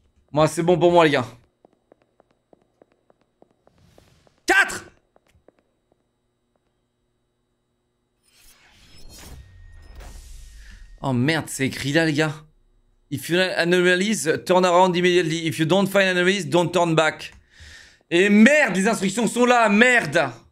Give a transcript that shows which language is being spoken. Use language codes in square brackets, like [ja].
[fr] Moi, c'est bon pour moi, les gars. Oh merde, c'est écrit là, les gars. [en] If you anomalies, turn around immediately. If you don't find anomalies, don't turn back. [fr] Et merde, les instructions sont là, merde!